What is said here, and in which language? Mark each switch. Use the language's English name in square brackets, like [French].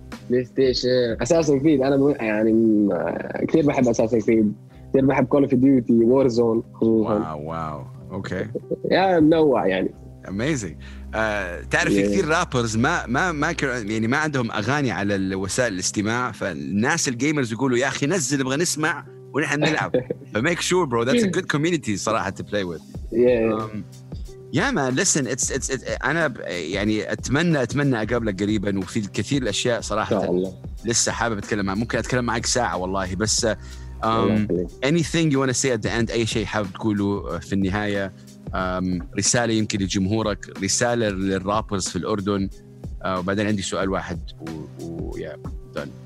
[Arabic] بلاي ستيشن اساسن كريد انا يعني كثير بحب اساسن كريد كثير بحب كول اوف ديوتي وور زون واو واو اوكي يا منوع يعني [English] amazing. تعرف yeah. [Arabic] كثير رابرز ما ما ما يعني ما عندهم أغاني على وسائل الاستماع, فالناس الجيمرز يقولوا يا أخي نزل نبغى نسمع ونحن نلعب. [English] فmake sure bro that's a good community صراحة to play with. Yeah man listen it's [Arabic] أنا يعني أتمنى أقابلك قريبا, وفي الكثير الأشياء صراحة لسه حابب أتكلم معك, ممكن أتكلم معك ساعة والله. بس [English] anything you wanna say at the end, [Arabic] أي شيء حابب تقوله في النهاية, رسالة يمكن لجمهورك, رسالة للرابرز في الأردن, وبعدين عندي سؤال واحد done.